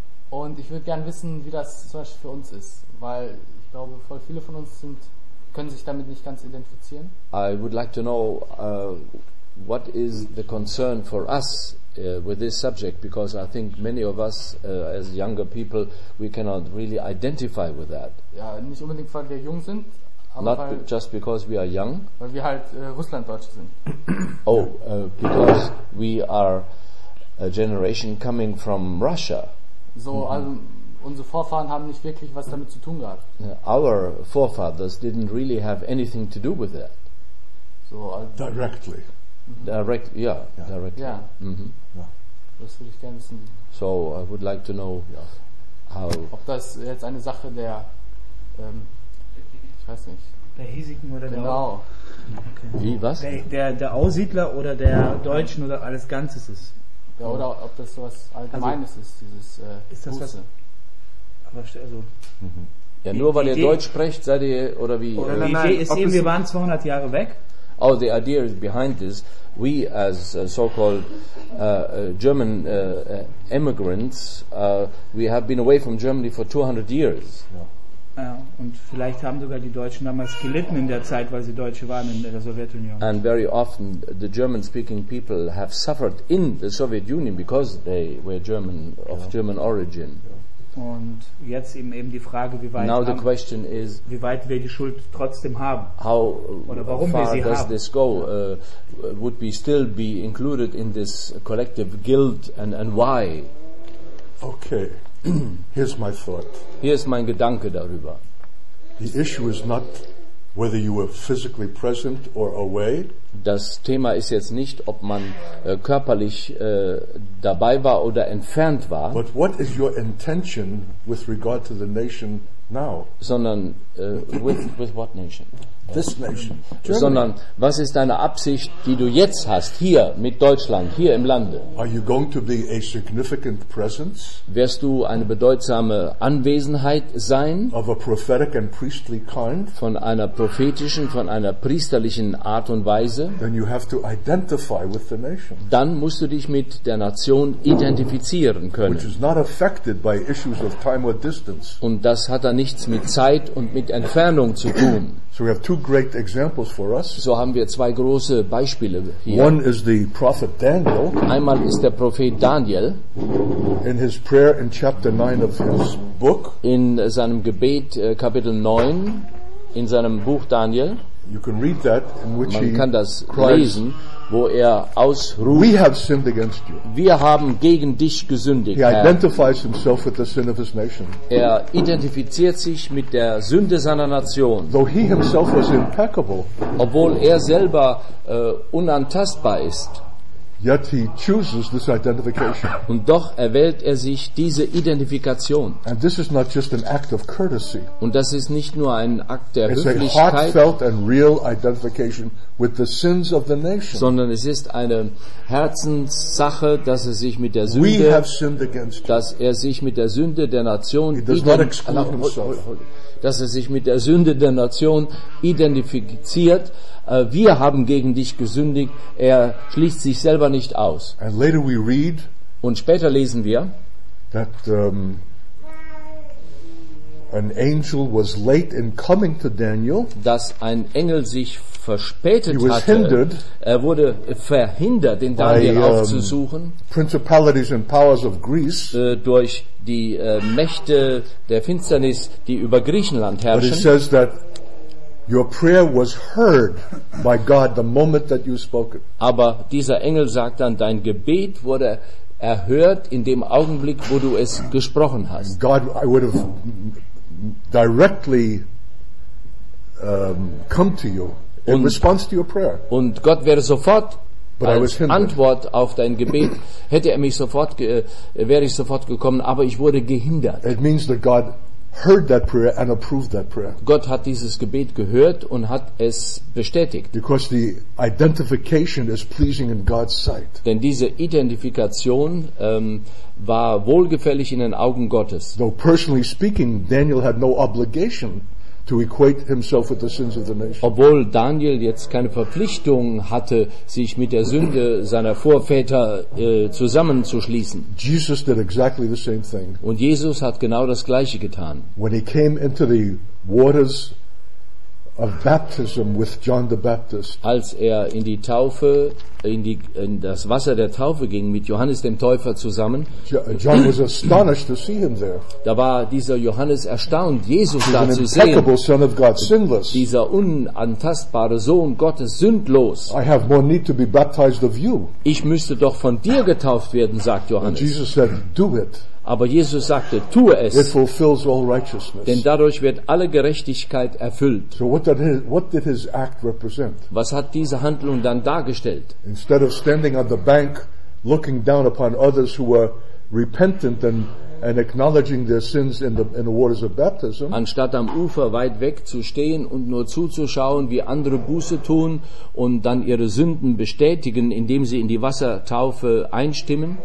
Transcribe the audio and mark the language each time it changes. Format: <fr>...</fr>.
<de>Und ich würde gerne wissen, wie das zum Beispiel für uns ist, weil ich glaube, voll viele von uns sind, können sich damit nicht ganz identifizieren.</de> <en>I would like to know what is the concern for us with this subject, because I think many of us as younger people we cannot really identify with that.</en> <de>Ja, nicht unbedingt, weil wir jung sind.</de> <en>Not just because we are young.</en> <de>Weil wir halt Russlanddeutsche sind.</de> <en>Oh, because we are a generation coming from Russia. So, mm-hmm.</en> <de>Also unsere Vorfahren haben nicht wirklich was damit zu tun gehabt.</de> <en>Our forefathers didn't really have anything to do with that.</en> <de>So, also</de> <en>directly. Direct, yeah, yeah. Directly. Yeah. Mm-hmm. Yeah.</en> <de>Das würde ich gerne wissen.</de> <en>So, I would like to know how.</en> <de>Ob das jetzt eine Sache der, ich weiß nicht. Der Hiesigen oder genau. Der okay. Wie, was? Der Aussiedler oder der Deutschen oder alles Ganzes ist. Ja, oder ob das so was Allgemeines also, ist, dieses ist das Buße. Was? Also, ja, nur weil Idee, ihr Deutsch sprecht, seid ihr, oder wie? Die Idee ist eben, wir waren 200 Jahre weg.</de> <en>Oh, the idea is behind this. We, as so-called German immigrants, we have been away from Germany for 200 years.</en> <de>Ja. Und vielleicht haben sogar die Deutschen damals gelitten in der Zeit, weil sie Deutsche waren in der Sowjetunion.</de> <en>And very often the German-speaking people have suffered in the Soviet Union because they were German, of</en> <de>ja.</de> <en>German origin.</en> <de>Und jetzt eben die Frage, wie weit,</de> <en>now the question is,</en> <de>wie weit wir die Schuld trotzdem haben.</de> <en>How</en> <de>oder warum</de> <en>far</en> <de>wir sie</de> <en>does</en> <de>haben.</de> <en>This go? Would we still be included in this collective guilt and why? Okay. Here's my thought.</en> <de>Hier ist mein Gedanke darüber.</de> <en>The issue is not whether you were physically present or away.</en> <de>Das Thema ist jetzt nicht, ob man körperlich dabei war oder entfernt war.</de> <en>But what is your intention with regard to the nation now?</en> <de>Sondern</de> <en>with what nation? This nation. Germany.</en> <de>Sondern was ist deine Absicht, die du jetzt hast hier mit Deutschland, hier im Lande?</de> <en>Are you going to be a significant presence?</en> <de>Wirst du eine bedeutsame Anwesenheit sein?</de> <en>Of a prophetic and priestly kind?</en> <de>Von einer prophetischen, von einer priesterlichen Art und Weise?</de> <en>Then you have to identify with the nation.</en> <de>Dann musst du dich mit der Nation identifizieren können.</de> <en>Which is not affected by issues of time or distance.</en> <de>Und das hat dann nichts mit Zeit und mit Entfernung zu tun.</de> <en>So we have two great examples for us.</en> <de>So haben wir zwei große Beispiele hier.</de> <en>One is the prophet Daniel.</en> <de>Einmal ist der Prophet Daniel.</de> <en>In his prayer in chapter 9 of his book.</en> <de>In seinem Gebet Kapitel 9 in seinem Buch Daniel.</de> <en>You can read that in which</en> <de>man</de> <en>he</en> <de>kann das lesen, wo er ausruft.</de> <en>We have sinned against you.</en> <de>Wir haben gegen dich gesündigt.</de> <en>He identifies himself with the sin of his nation.</en> <de>Er identifiziert sich mit der Sünde seiner Nation.</de> <en>Though he himself was impeccable.</en> <de>Obwohl er selber unantastbar ist.</de> <en>Yet he chooses this identification.</en> <de>Und doch erwählt er sich diese Identifikation.</de> <en>And this is not just an act of courtesy.</en> <de>Und das ist nicht nur ein Akt der Höflichkeit.</de> <en>It's a heartfelt and real identification with the sins of the nation.</en> <de>Sondern es ist eine Herzenssache, dass er sich mit der Sünde,</de> <en>we have sinned against you.</en> <de>Dass er sich mit der Sünde der Nation,</de> <en>he does not exclude himself.</en> <de>Dass er sich mit der Sünde der Nation identifiziert. Wir haben gegen dich gesündigt. Er schließt sich selber nicht aus.</de> <en>And later we read,</en> <de>und später lesen wir,</de> <en>that, an angel was late in coming to Daniel,</en> <de>dass ein Engel sich verspätet</de> <en>he was</en> <de>hatte.</de> <en>Hindered,</en> <de>er wurde verhindert, den Daniel</de> <en>by,</en> <de>aufzusuchen,</de> <en>principalities and powers of Greece,</en> <de>durch die Mächte der Finsternis, die über Griechenland herrschen.</de> <en>But it says that your prayer was heard by God the moment that you spoke it.</en> <de>Aber dieser Engel sagt dann, dein Gebet wurde erhört in dem Augenblick, wo du es gesprochen hast.</de> <en>God, I would have directly come to you in</en> <de>und,</de> <en>response to your prayer.</en> <de>Und Gott wäre sofort</de> <en>But</en> <de>als Antwort auf dein Gebet, hätte er mich sofort, wäre ich sofort gekommen, aber ich wurde gehindert.</de> <en>It means that God heard that prayer and approved that prayer.</en> <de>Gott hat dieses Gebet gehört und hat es bestätigt.</de> <en>Because the identification is pleasing in God's sight.</en> <de>Denn diese Identifikation war wohlgefällig in den Augen Gottes.</de> <en>Though personally speaking, Daniel had no obligation to equate himself with the sins of the nation.</en> <de>Obwohl Daniel jetzt keine Verpflichtung hatte, sich mit der Sünde seiner Vorväter zusammenzuschließen.</de> <en>Jesus did exactly the same thing.</en> <de>Und Jesus hat genau das Gleiche getan.</de> <en>When he came into the waters of baptism with John the Baptist.</en> <de>Als er in die Taufe, in das Wasser der Taufe ging mit Johannes dem Täufer zusammen.</de> <en>John was astonished to see him there.</en> <de>Da war dieser Johannes erstaunt, Jesus da zu sehen.</de> <en>Impeccable Son of God, sinless.</en> <de>Dieser unantastbare Sohn Gottes, sündlos.</de> <en>I have more need to be baptized of you.</en> <de>Ich müsste doch von dir getauft werden, sagt Johannes.</de> <en>And Jesus said, do it.</en> <de>Aber Jesus sagte, tue es.</de> <en>It fulfills all righteousness.</en> <de>Denn dadurch wird alle Gerechtigkeit erfüllt.</de> <en>So what did his act represent?</en> <de>Was hat diese Handlung dann dargestellt?</de> <en>Instead of standing on the bank, looking down upon others who were repentant and acknowledging their sins in the waters of baptism.</en> <de>Anstatt am Ufer weit weg zu stehen und nur zuzuschauen, wie andere Buße tun und dann ihre Sünden bestätigen, indem sie in die Wassertaufe einstimmen.</de>